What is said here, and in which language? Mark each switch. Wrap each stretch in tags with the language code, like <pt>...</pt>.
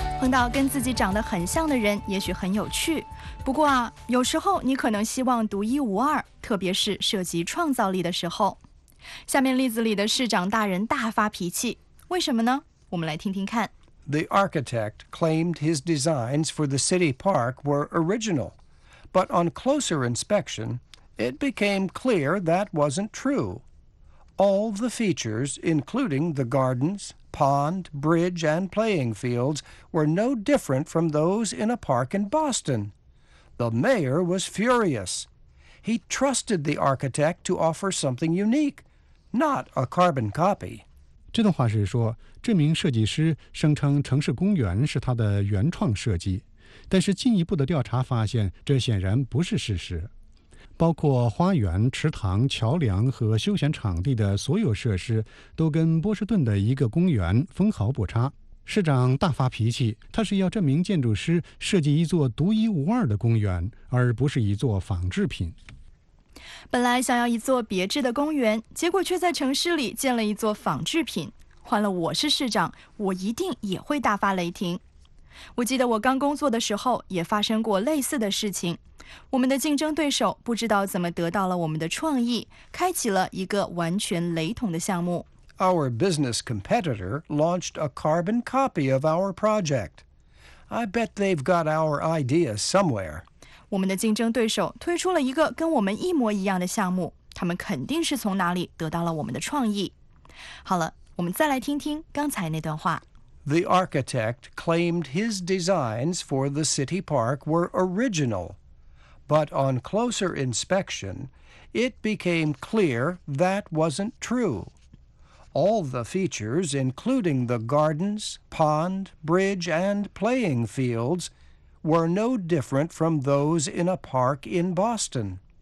<zh>到跟自己长得很像的人也许很有趣，不过啊，有时候你可能希望独一无二，特别是涉及创造力的时候。下面例子里的市长大人大发脾气，为什么呢？我们来听听看。</zh> <en>The architect claimed his designs for the city park were original, but on closer inspection, it became clear that wasn't true. All the features, including the gardens,pond, bridge, and playing fields were no different from those in a park in Boston. The mayor was furious. He trusted the architect to offer something unique, not a carbon copy.</en> <zh>这段话是说，这名设计师声称城市公园是他的原创设计，但是进一步的调查发现，这显然不是事实。包括花园、池塘、桥梁和休闲场地的所有设施都跟波士顿的一个公园分毫不差。市长大发脾气，他是要这名建筑师设计一座独一无二的公园，而不是一座仿制品。本来想要一座别致的公园，结果却在城市里建了一座仿制品。换了我是市长，我一定也会大发雷霆。我记得我刚工作的时候也发生过类似的事情。我们的竞争对手不知道怎么得到了我们的创意，开启了一个完全雷同的项目。</zh> <en>Our business competitor launched a carbon copy of our project. I bet they've got our idea somewhere.</en> <zh>我们的竞争对手推出了一个跟我们一模一样的项目，他们肯定是从哪里得到了我们的创意。好了，我们再来听听刚才那段话。</zh> <en>The architect claimed his designs for the city park were original, but on closer inspection, it became clear that wasn't true. All the features, including the gardens, pond, bridge, and playing fields, were no different from those in a park in Boston.</en>